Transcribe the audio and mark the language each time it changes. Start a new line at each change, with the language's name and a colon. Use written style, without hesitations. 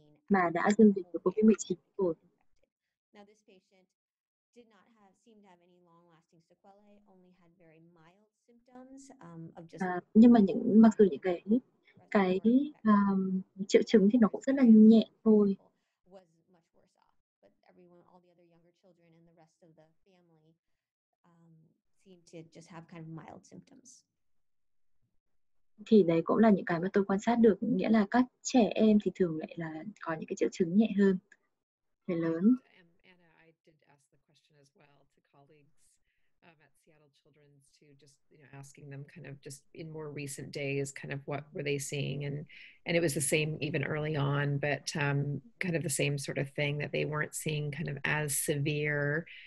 English: Now this patient did not have seem to have any long lasting sequelae, only had very mild symptoms of just
Vietnamese: mặc dù những cái triệu chứng thì nó cũng rất là nhẹ thôi.
English: Was much worse off, but everyone, all the other younger children and the rest of the family seem to just have kind of mild symptoms.
Vietnamese: Thì đấy cũng là những cái mà tôi quan sát được, nghĩa là các trẻ em thì thường lại là có những cái triệu chứng nhẹ hơn người lớn.
English: Anna, I did ask the question as well to colleagues at Seattle Children's to just, you know, asking them kind of just in more recent days kind of what were they seeing, and it was the same even early on, but kind of the same sort of thing that they weren't seeing kind of as severe.